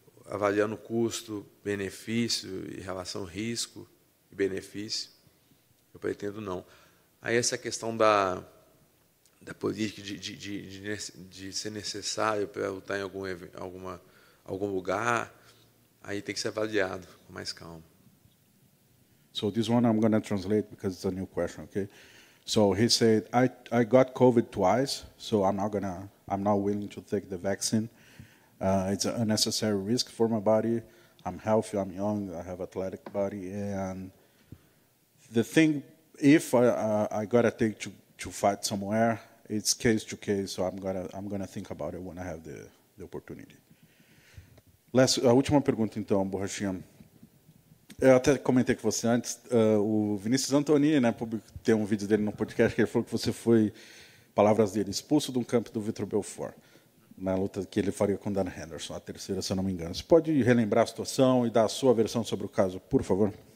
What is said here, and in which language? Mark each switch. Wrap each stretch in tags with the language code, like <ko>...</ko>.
<pt>Avaliando custo, benefício, em relação risco e benefício, eu pretendo não. Aí essa questão da política de ser necessário para lutar em algum lugar, aí tem que ser avaliado com mais calma.</pt> <en>So this one I'm going to translate because it's a new question, okay? So he said, I got COVID twice, so I'm not willing to take the vaccine. It's an unnecessary risk for my body. I'm healthy, I'm young, I have athletic body. And the thing, if I got to take to fight somewhere, it's case to case, so I'm gonna think about it when I have the opportunity.</en> <pt>A última pergunta, então, Borrachinha. Eu até comentei com você antes, o Vinícius Antoni, né, tem um vídeo dele no podcast que ele falou que você foi, palavras dele, expulso de um campo do Vitor Belfort, na luta que ele faria com o Dan Henderson, a terceira, se eu não me engano. Você pode relembrar a situação e dar a sua versão sobre o caso, por favor?</pt>